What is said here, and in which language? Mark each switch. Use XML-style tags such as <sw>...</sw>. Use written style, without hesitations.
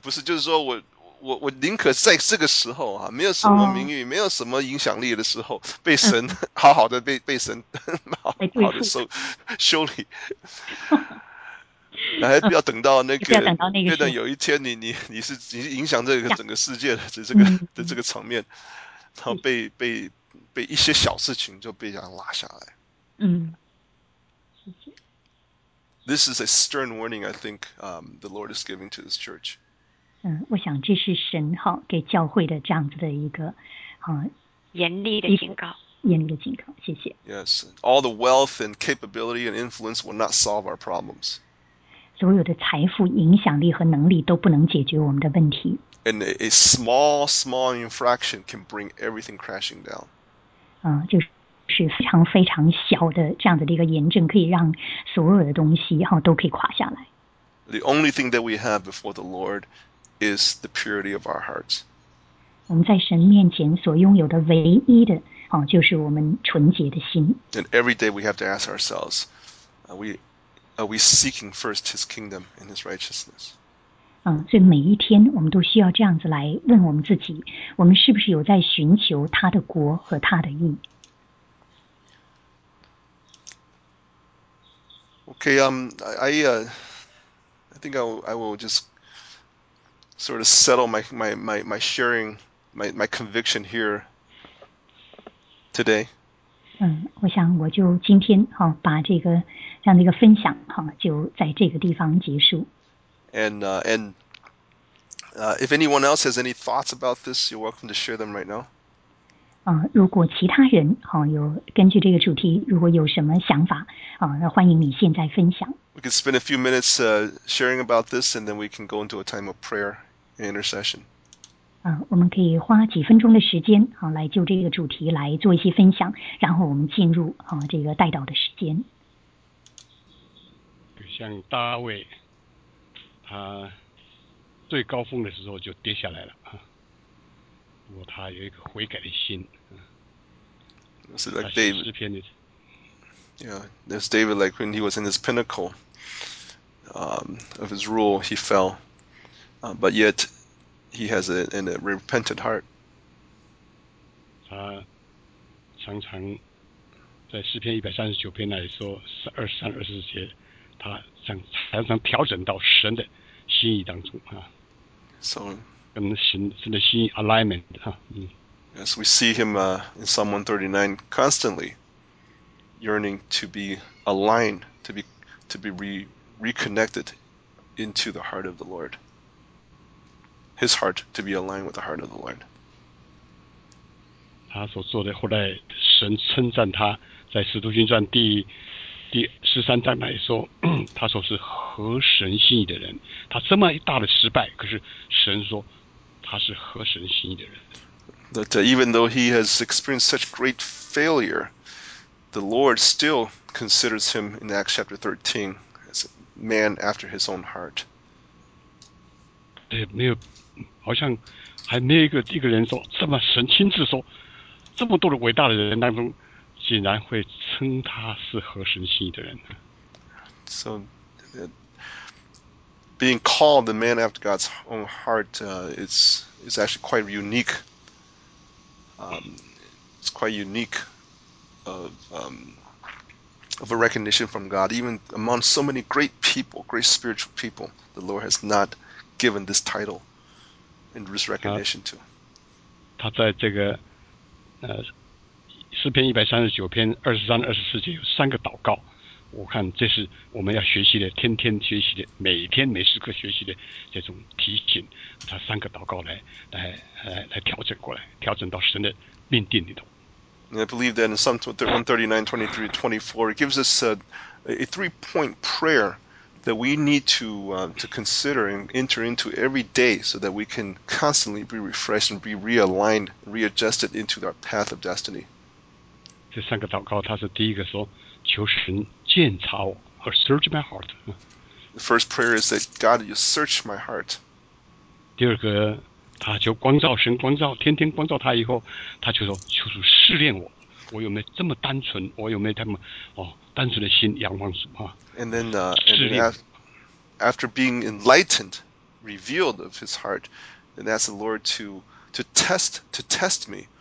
<zh>不是，就是说我宁可在这个时候没有什么名誉、没有什么影响力的时候，被神好好的被神好的受修理，那还不要等到那个，要等有一天你影响这个整个世界的这个的这个层面，然后被一些小事情就被这样拉下来。谢谢。</zh> <en>This is a stern warning, I think, the Lord is giving to this church.</en> <zh>我想这是神给教会的这样子的一个严厉的警告。严厉的警告，谢谢。</zh> <en>Yes, all the wealth and capability and influence will not solve our problems.</en> <zh>所有的财富、影响力和能力都不能解决我们的问题。</zh> <en>And a small infraction can bring everything crashing down.</en> <zh>就是非常非常小的这样的一个炎症，可以让所有的东西哈都可以垮下来。</zh> <en>The only thing that we have before the Lord is the purity of our hearts.</en> <zh>我们在神面前所拥有的唯一的哦，就是我们纯洁的心。</zh> <en>And every day we have to ask ourselves, are we seeking first His kingdom and His righteousness?</en> <zh>所以每一天我们都需要这样子来问我们自己，我们是不是有在寻求他的国和他的义。</zh> <en>Okay, I think I will just sort of settle my sharing, my conviction here today.</en> <zh>我想我就今天哈把这个这样的一个分享哈就在这个地方结束。</zh> <en>If anyone else has any thoughts about this, you're welcome to share them right now.</en> <zh>如果其他人哈有根据这个主题如果有什么想法啊，那欢迎你现在分享。</zh> <en>We could spend a few minutes sharing about this, and then we can go into a time of prayer and intercession.</en> <zh>我们可以花几分钟的时间啊，来就这个主题来做一些分享，然后我们进入啊这个代祷的时间。像大卫，他最高峰的时候就跌下来了啊，不过他有一个悔改的心。</zh> <en>Is it like David?</en> <zh>诗篇的。</zh> <en>Yeah, there's David, like when he was in his pinnacle of his rule, he fell. But yet, he has a repentant heart.</en> <zh>他常常在诗篇139篇来说23、24节，他常常调整到神的心意当中。</zh> <en>So,</en> <zh>跟神的心意 alignment.</zh> <en>As we see him in Psalm 139 constantly,yearning to be aligned, to be reconnected into the heart of the Lord. His heart to be aligned with the heart of the Lord.</en> <zh>他所做的后来神称赞他在使徒行传第十三章来说他说是合神心意的人。他这么大的失败可是神说他是合神心意的人。</zh> <en>But even though he has experienced such great failure,The Lord still considers him in Acts chapter 13 as a man after his own heart.</en> <zh>对，没有，好像还没有一个人说这么神亲自说，这么多的伟大的人当中，竟然会称他是合神心意的人。</zh> <en>So, being called the man after God's own heart, is actually quite unique. It's quite unique. Of a recognition from God, even among so many great people, great spiritual people, the Lord has not given this title and this recognition to.</en> <zh>他在这个诗篇139篇23、24节有三个祷告，我看这是我们要学习的，天天学习的，每天每时刻学习的这种提醒。他三个祷告来调整过来，调整到神的命定里头。</zh> <en>And I believe that in Psalm 139, 23, 24, it gives us a three-point prayer that we need to consider and enter into every day so that we can constantly be refreshed and be realigned, readjusted into our path of destiny.</en> <zh>这三个祷告，它是第一个说，求神鉴察我</zh> <en>or search my heart. The first prayer is that, God, you search my heart.</en> <zh>第二个他就光照神光照天天光照他以后他就说求主试炼我我有没有这么单纯我有没有这么单纯的心仰望主啊</zh> <en>and then, after being enlightened revealed of his heart and ask the Lord to test me</en>